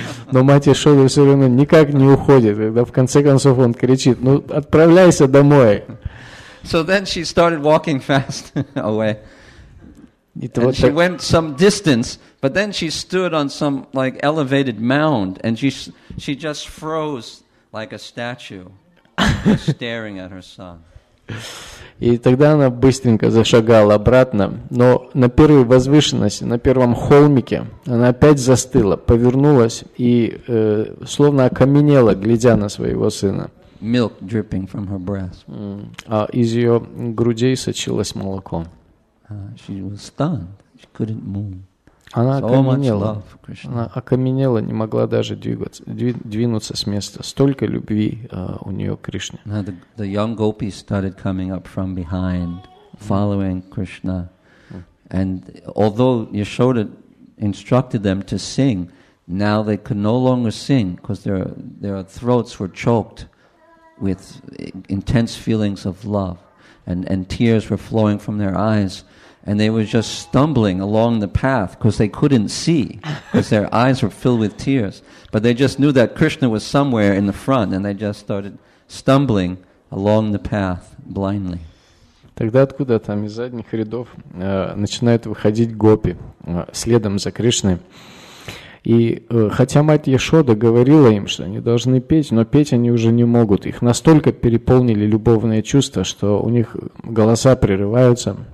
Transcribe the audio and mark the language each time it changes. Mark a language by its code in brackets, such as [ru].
[ru] Но мать Яшоды все равно никак не уходит. Когда в конце концов он кричит, ну отправляйся домой. [en] So then she started walking fast away. And she went some distance. But then she stood on some like elevated mound, and she just froze like a statue, staring at her son. [ru] И тогда она быстренько зашагала обратно, но на первой возвышенности, на первом холмике, она опять застыла, повернулась и словно окаменела, глядя на своего сына. [en] Milk dripping from her breast. [ru] А из ее грудей сочилось молоко. [en] She was stunned. She couldn't move. [ru] Она окаменела. Она окаменела, не могла даже двинуться с места. Столько любви у нее к Кришне. [en] The young gopis started coming up from behind, following Krishna. And although Yashoda instructed them to sing, now they could no longer sing because their throats were choked with intense feelings of love, and tears were flowing from their eyes. And they were just stumbling along the path because they couldn't see, because their eyes were filled with tears. But they just knew that Krishna was somewhere in the front, and they just started stumbling along the path blindly. [ru] Тогда откуда там из задних рядов начинают выходить гопи следом за Кришной. И хотя мать Яшода говорила им, что они должны петь, но петь они уже не могут. Их настолько переполнили любовные чувства, что у них голоса прерываются.